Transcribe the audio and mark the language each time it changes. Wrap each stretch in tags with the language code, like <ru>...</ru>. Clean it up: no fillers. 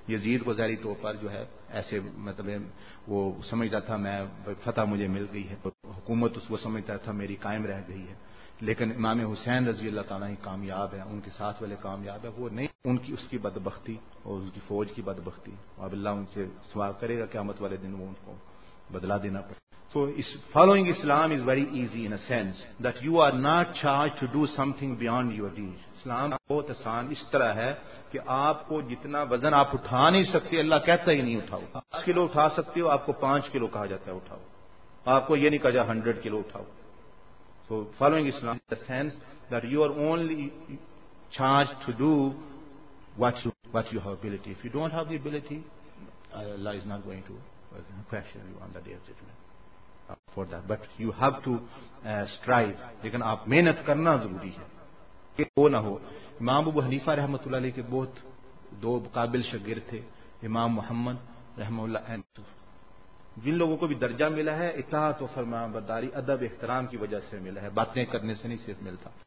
<ur>یزید کو ظاہری طور پر جو ہے ایسے مطلب وہ سمجھتا تھا میں فتح مجھے مل گئی ہے, حکومت اس کو سمجھتا تھا میری قائم رہ گئی ہے, لیکن امام حسین رضی اللہ تعالیٰ ہی کامیاب ہے, ان کے ساتھ والے کامیاب ہے. وہ نہیں, ان کی اس کی بدبختی اور اس کی فوج کی بدبختی. اب اللہ ان سے سوال کرے گا قیامت والے دن, وہ ان کو بدلا دینا پڑے.</ur> <en>So following Islam is very easy in a sense that you are not charged to do something beyond your reach.</en> <ur>Islam بہت آسان اس طرح ہے کہ آپ کو جتنا وزن آپ اٹھا نہیں سکتے, اللہ کہتا ہی نہیں اٹھاؤ. 10 کلو اٹھا سکتے ہو, آپ کو 5 کلو کہا جاتا ہے اٹھاؤ, آپ کو یہ نہیں کہا جا 100 کلو اٹھاؤ.</ur> <en>So following Islam in a sense that you are only charged to do what you have ability. If you don't have the ability, Allah is not going to question you on the day of judgment. For that, but you have to strive.</en> <ur>لیکن آپ محنت کرنا ضروری ہے کہ وہ نہ ہو. امام ابو حنیفہ رحمۃ اللہ علیہ کے بہت دو قابل شاگرد تھے, امام محمد رحمۃ اللہ علیہ, جن لوگوں کو بھی درجہ ملا ہے اطاعت و فرمانبرداری ادب احترام کی وجہ سے ملا ہے, باتیں کرنے سے نہیں صرف ملتا.</ur>